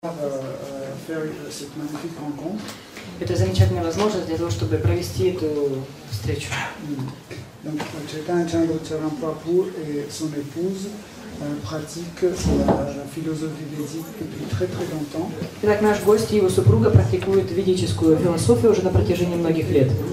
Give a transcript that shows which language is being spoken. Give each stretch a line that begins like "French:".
French: faire cette magnifique rencontre.
Russian: Это замечательная возможность для того, чтобы провести эту встречу.
French: Donc, Chaitanya Charanprabhu et son épouse pratiquent la philosophie védique depuis très très longtemps.
Russian: Итак, наш гость и его супруга практикуют ведическую философию уже на протяжении многих лет.